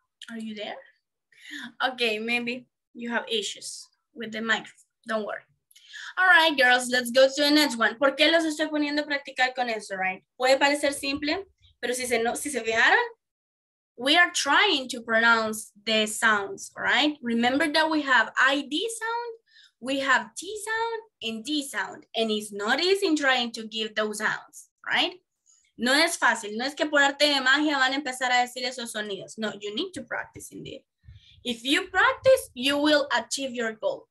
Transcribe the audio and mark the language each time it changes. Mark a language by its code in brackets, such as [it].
[en] Are you there? Okay, maybe you have issues with the mic. Don't worry. All right, girls, let's go to the next one. [es] ¿Por qué los estoy poniendo a practicar con eso, right? Puede parecer simple, pero si se fijaron, [en] we are trying to pronounce the sounds, right? Remember that we have ID sound, we have T sound, and D sound, and it's not easy in trying to give those sounds, right? [es] No es fácil, no es que por arte de magia van a empezar a decir esos sonidos. [en] No, you need to practice indeed. If you practice, you will achieve your goal.